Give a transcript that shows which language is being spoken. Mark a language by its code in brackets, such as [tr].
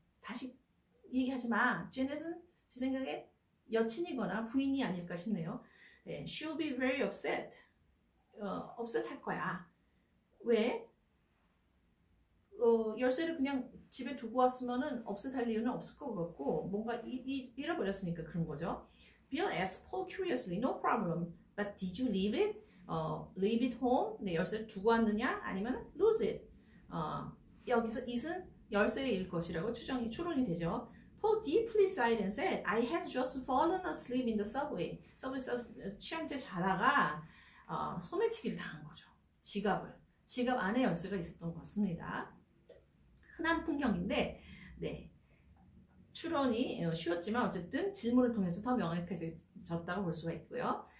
[ko] 다시 얘기하지 마. Janet은 제 생각에 여친이거나 부인이 아닐까 싶네요. 네. [en] She'll be very upset. [ko] upset 할 거야. 왜? 열쇠를 그냥 집에 두고 왔으면은 없앳할 이유는 없을 것 같고 뭔가 잃어버렸으니까 그런 거죠. [en] Bill asked Paul curiously, "No problem, but did you leave it? Leave it home? [ko] 네, 열쇠를 두고 왔느냐? 아니면 [en] lose it? [ko] 여기서 it은 열쇠일 것이라고 추론이 되죠. [en] Paul deeply sighed and said, "I had just fallen asleep in the subway." [ko] 서비스에서 취한 채 자다가 소매치기를 당한 거죠. 지갑 안에 열쇠가 있었던 것 같습니다. 흔한 풍경인데, 네. 추론이 쉬웠지만 어쨌든 질문을 통해서 더 명확해졌다고 볼 수가 있고요.